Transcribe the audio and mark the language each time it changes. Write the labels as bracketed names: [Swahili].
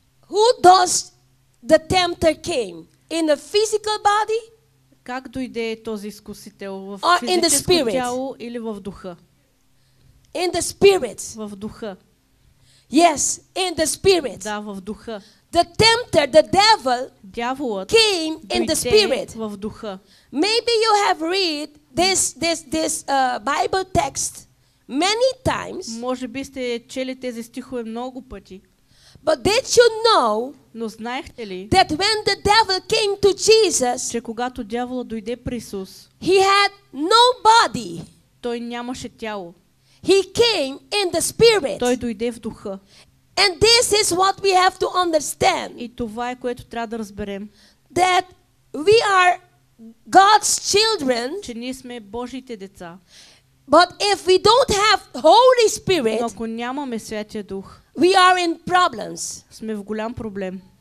[English] Who does the tempter came in a physical body? [Bulgarian] Как дойде този изкусител в физическо тяло или в духа? [English] In the spirit. [Bulgarian] В духа. [English] Yes, in the spirit. [Bulgarian] Да, в духа. [English] The tempter, the devil, [Bulgarian] дяволът [English] came in the spirit. [Bulgarian] В духа. [English] Maybe you have read this Bible text many times. [Bulgarian] Може би сте чели тези стихове много пъти. [English] But did you know? [Bulgarian] Но знаехте ли? [English] That when the devil came to Jesus, [Bulgarian] че когато дяволът дойде при Исус, [English] he had no body. [Bulgarian] Той нямаше тяло. [English] He came in the spirit. [Bulgarian] Той дойде в духа. [English] And this is what we have to understand. [Bulgarian] И това е което трябва да разберем. [English] That we are God's children. [Bulgarian] Че ние сме Божиите деца. [English] But if we don't have Holy Spirit, [Bulgarian] но ако нямаме Святия Дух, [English] we are in problems. [Bulgarian] Сме в голям проблем.